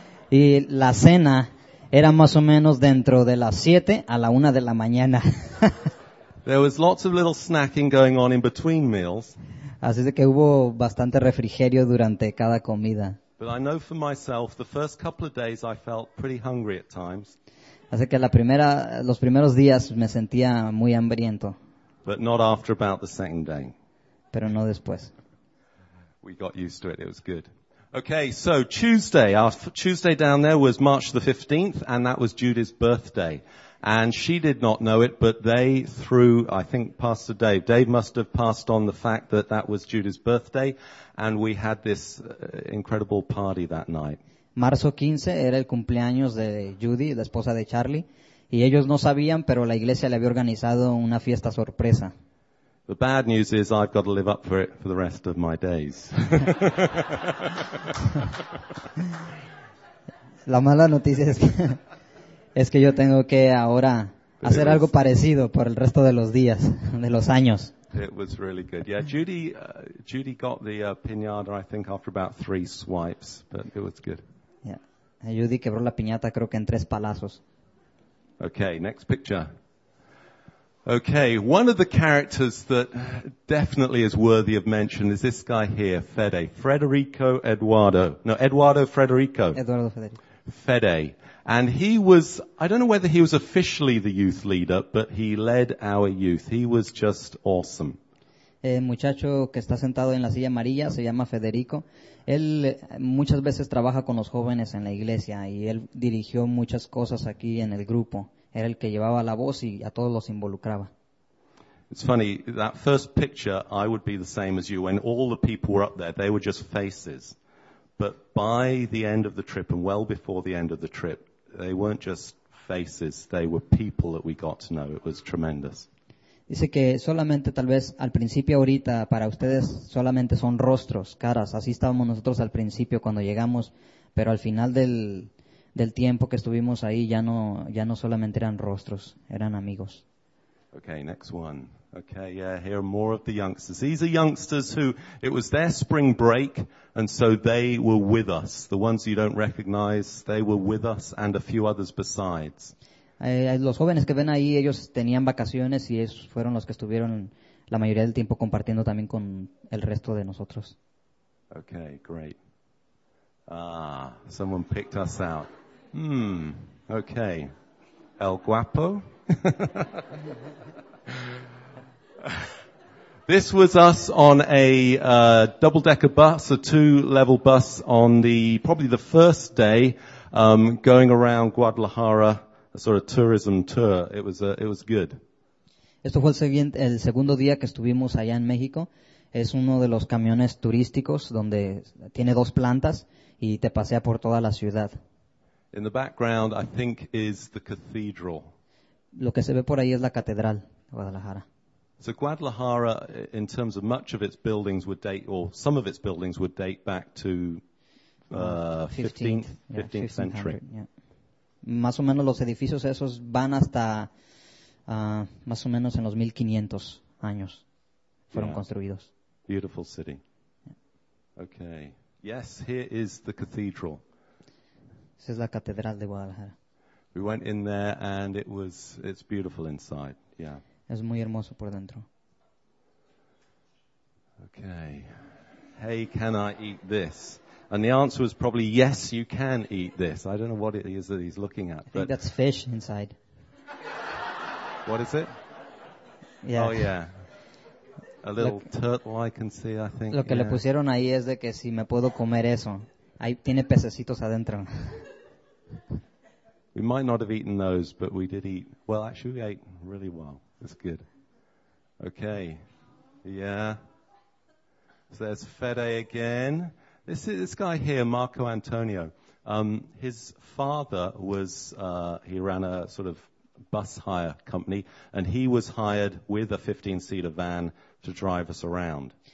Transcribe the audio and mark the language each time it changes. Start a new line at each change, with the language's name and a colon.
Spanish: Y la cena era más o menos dentro de las 7 a la 1 de la mañana.
English: There was lots of little snacking going on in between meals.
Spanish: Así es que hubo bastante refrigerio durante cada comida.
English: But I know for myself, the first couple of days I felt pretty hungry at times.
Spanish: Así que los primeros días me sentía muy hambriento.
English: But not after about the second day.
Spanish: Pero no después.
English: We got used to it. It was good. Okay, so Tuesday, our Tuesday down there was March the 15th, and that was Judy's birthday. And she did not know it, but they threw, I think, Pastor Dave. Dave must have passed on the fact that that was Judy's birthday, and we had this incredible party that night.
Spanish: Marzo 15 era el cumpleaños de Judy, la esposa de Charlie, y ellos no sabían, pero la iglesia le había organizado una fiesta sorpresa.
English: The bad news is I've got to live up for it for the rest of my days.
Spanish: La mala noticia es que... Es que yo tengo que ahora hacer algo parecido por el resto de los días, de los años.
English: It was really good. Yeah, Judy got the piñata, I think, after about 3 swipes, but it was good. Yeah.
Spanish: Judy quebró la piñata, creo que en tres palazos.
English: Okay, next picture. Okay, one of the characters that definitely is worthy of mention is this guy here, Fede. Federico Eduardo. No, Eduardo Federico. Eduardo Federico. Fede. And he was, I don't know whether he was officially the youth leader, but he led our youth. He was just awesome.
Spanish: El muchacho que está sentado en la silla amarilla se llama Federico. Él muchas veces trabaja con los jóvenes en la iglesia y él dirigió muchas cosas aquí en el grupo. Era el que llevaba la voz y a todos los involucraba.
English: It's funny, that first picture, I would be the same as you. When all the people were up there, they were just faces. But by the end of the trip, and well before the end of the trip, they weren't just faces, they were people that we got to know. It was tremendous.
Spanish: Dice que solamente, tal vez, al principio, ahorita, para ustedes, solamente son rostros, caras. Así estábamos nosotros al principio cuando llegamos, pero al final del tiempo que estuvimos ahí, ya no solamente eran rostros, eran amigos.
English: Okay, next one. Okay, yeah, here are more of the youngsters. These are youngsters who, it was their spring break, and so they were with us. The ones you don't recognize, they were with us, and a few others besides.
Spanish: Los jóvenes que ven ahí, ellos tenían vacaciones y ellos fueron los que estuvieron la mayoría del tiempo compartiendo también con el resto de nosotros.
English: Okay, great. Ah, someone picked us out. Okay. El Guapo. This was us on a double-decker bus, a two-level bus on probably the first day going around Guadalajara. A sort of tourism tour. It was good.
Spanish: Esto fue el segundo día que estuvimos allá en México. Es uno de los camiones turísticos donde tiene dos plantas y te pasea por toda la ciudad.
English: In the background, I think, is the cathedral.
Spanish: Lo que se ve por ahí es la catedral de Guadalajara.
English: So Guadalajara, in terms of much of its buildings, would date, or some of its buildings would date back to 15th century. Yeah.
Spanish: Más o menos los edificios esos van hasta más o menos en los 1500 años fueron construidos.
English: Beautiful city. Yeah. Okay. Yes, here is the cathedral.
Spanish: Esa es la catedral de Guadalajara.
English: We went in there and it's beautiful inside. Yeah.
Spanish: Es muy hermoso por dentro.
English: Okay. Hey, can I eat this? And the answer was probably, yes, you can eat this. I don't know what it is that he's looking at. I think that's fish inside. What is it? Yeah. Oh, yeah. A little turtle I can see, I think.
Spanish: Lo que le pusieron ahí es de que si me puedo comer eso. Ahí tiene pececitos adentro.
English: We might not have eaten those, but we did eat. Well, actually, we ate really well. That's good. Okay. Yeah. So there's Fede again. This guy here, Marco Antonio, his father was, he ran a sort of bus hire company, and he was hired with a 15-seater van to drive us around.